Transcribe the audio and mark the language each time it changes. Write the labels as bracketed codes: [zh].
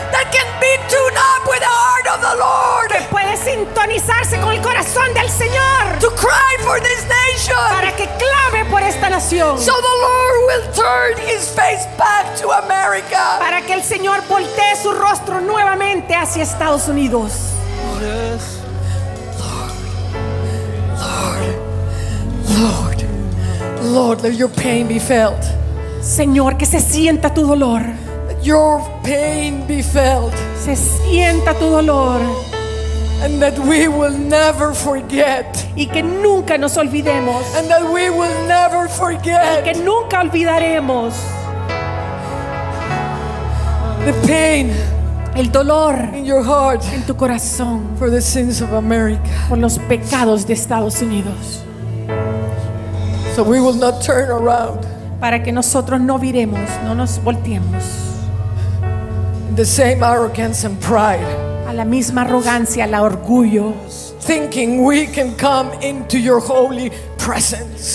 [en] That can be tuned up with the heart of the Lord. [es] Que puede sintonizarse con el corazón del Señor. [en] To cry for this nation. [es] Para que clame por esta nación. [en] So the Lord will turn his face back to America. [es] Para que el Señor voltee su rostro nuevamente hacia Estados Unidos. [en] Yes. Lord. Lord. Lord. Lord, let your pain be felt. [es] Señor, que se sienta tu dolor. [en] Let your pain be felt. [es] Se sienta tu dolor. [en] And that we will never forget. [es] Y que nunca nos olvidemos. [en] And that we will never forget. [es] Y que nunca olvidaremos. [en] The pain. [es] El dolor. [en] In your heart. [es] En tu corazón. [en] For the sins of America. [es] Por los pecados de Estados Unidos. [en] So we will not turn around. [es] Para que nosotros no viremos, no nos volteemos. [en] The same arrogance and pride. [es] A la misma arrogancia, al orgullo. [en] Thinking we can come into your holy presence.